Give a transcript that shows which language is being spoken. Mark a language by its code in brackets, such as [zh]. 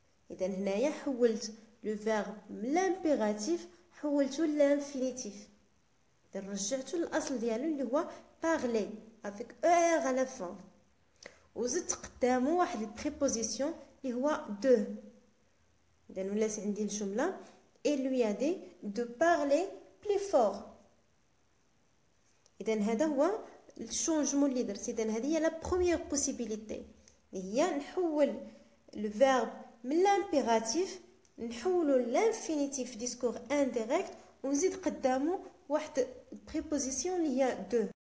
[ar] إذن هنا حولت le verbe l'impératif حولته l'infinitif. إذن رجعته للأصل ديالو اللي هو parler avec ER à la fin. وزدت قدامه واحد الpréposition اللي هو de. إذن ولات عندي الجملة [fr] et lui a dit de parler plus fort. [ar] إذن هذا هو الشونجمون اللي درت. إذن هذه هي la première possibilité. هي نحول الفيرب من الامبيراتيف نحولو للانفينيتيف ديسكور انديريكت ونزيد قدامه واحد بريبوزيسيون اللي هي دو.